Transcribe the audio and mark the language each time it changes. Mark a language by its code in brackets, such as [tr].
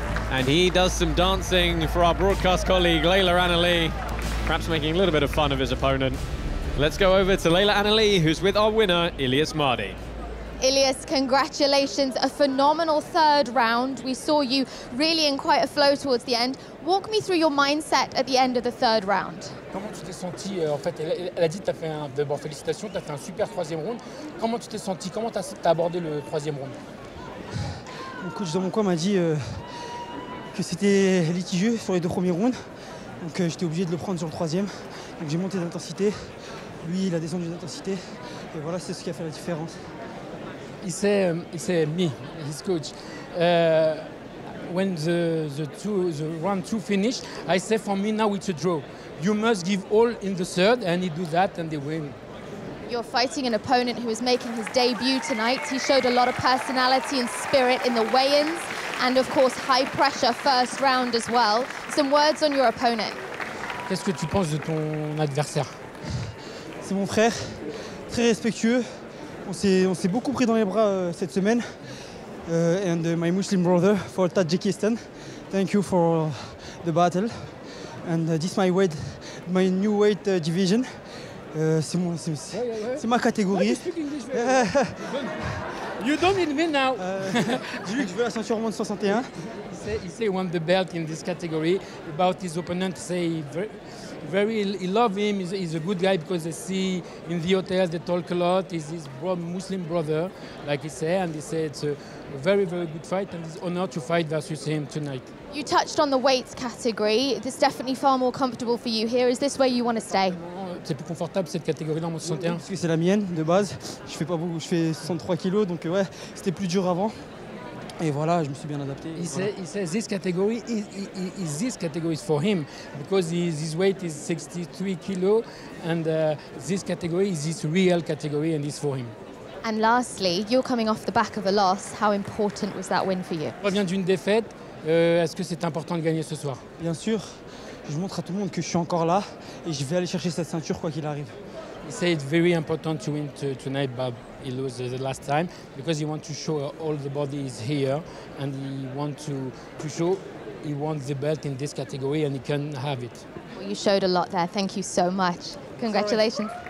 [en] And he does some dancing for our broadcast colleague, Layla Annalee, perhaps making a little bit of fun of his opponent. Let's go over to Layla Annalee, who's with our winner, Ilies Mardhi. Ilies, congratulations. A phenomenal third round. We saw you really in quite a flow towards the end. Walk me through your mindset at the end of the third round. [fr] Comment tu t'es senti en fait, elle a dit t'as fait un d'abord félicitations, t'as fait un super troisième round. Comment tu t'es senti? Comment t'as abordé le troisième round? Mon coach dans mon coin m'a dit que c'était litigieux sur les deux premiers rounds. Donc j'étais obligé de le prendre sur le troisième. Donc j'ai monté d'intensité. Lui, il a descendu d'intensité. Et voilà, c'est ce qui a fait la différence. [en] He said me, his coach. When the round two finished, I said for me now it's a draw. You must give all in the third, and he do that and they win. You're fighting an opponent who is making his debut tonight. He showed a lot of personality and spirit in the weigh-ins, and of course high pressure first round as well. Some words on your opponent. [fr] Qu'est-ce que tu penses de ton adversaire? C'est mon frère, très respectueux. On s'est beaucoup pris dans les bras cette semaine. [en] And my Muslim brother for Tajikistan, thank you for the battle. And this is my new weight division. [fr] C'est ma catégorie. [en] You don't need me now. [fr] Dis-lui que je veux la ceinture monde 61. [en] He say he won the belt in this category. About his opponent, say very, he love him, he's a good guy because they see in the hotels, they talk a lot, he's his Muslim brother, like he said, and he said it's a very, very good fight and it's an honor to fight versus him tonight. You touched on the weights category, this is definitely far more comfortable for you here, is this where you want to stay? [fr] C'est plus confortable cette catégorie dans mon 61. Parce que c'est la mienne de base, je fais pas beaucoup, je fais 63 kilos, donc ouais, c'était plus dur avant. Et voilà, je me suis bien adapté. [en] He says this category is this category for him because his weight is 63 kilos and this category is his real category and it's for him. And lastly, you're coming off the back of a loss. How important was that win for you? [fr] Je reviens d'une défaite. Est-ce que c'est important de gagner ce soir? Bien sûr. Je montre à tout le monde que je suis encore là et je vais aller chercher cette ceinture quoi qu'il arrive. [en] He said it's very important to win tonight, but he lost the last time because he wants to show all the bodies here and he wants to show he wants the belt in this category and he can have it. Well, you showed a lot there. Thank you so much. Congratulations. Sorry.